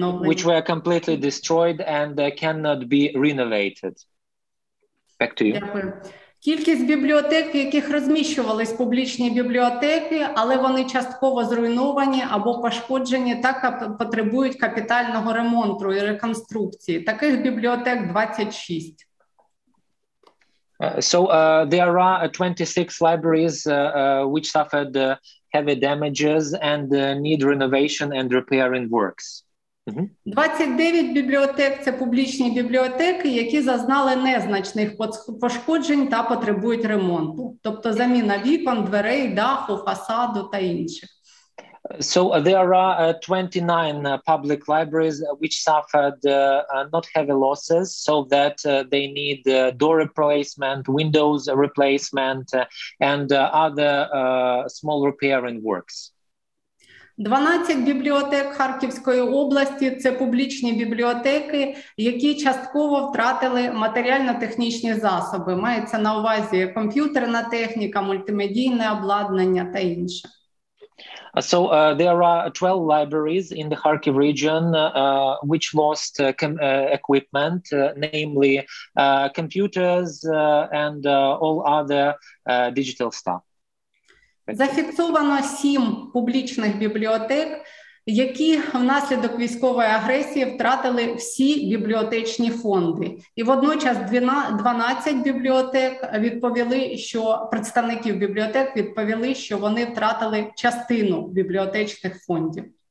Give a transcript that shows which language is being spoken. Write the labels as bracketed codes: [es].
[en] Which were completely destroyed and cannot be renovated. Back to you. [uk] Кількість бібліотек, в яких розміщувались публічні бібліотеки, але вони частково зруйновані або пошкоджені, так потребують капітального ремонту і реконструкції. Таких бібліотек 26. [en] There are 26 libraries which suffered heavy damages and need renovation and repairing works. Mm-hmm. [uk] 29 бібліотек – це публічні бібліотеки, які зазнали незначних пошкоджень та потребують ремонту. Тобто заміна вікон, дверей, даху, фасаду та інших. [en] So there are 29 public libraries which suffered not heavy losses, so that they need door replacement, windows replacement and other small repairing works. [uk] 12 бібліотек Харківської області – це публічні бібліотеки, які частково втратили матеріально-технічні засоби. Мається на увазі комп'ютерна техніка, мультимедійне обладнання та інше. [en] So there are 12 libraries in the Kharkiv region which lost equipment, namely computers and all other digital stuff. [uk] Зафіксовано 7 публічних бібліотек, які внаслідок військової агресії втратили всі бібліотечні фонди. І водночас 12 бібліотек відповіли, що представників бібліотек відповіли, що вони втратили частину бібліотечних фондів.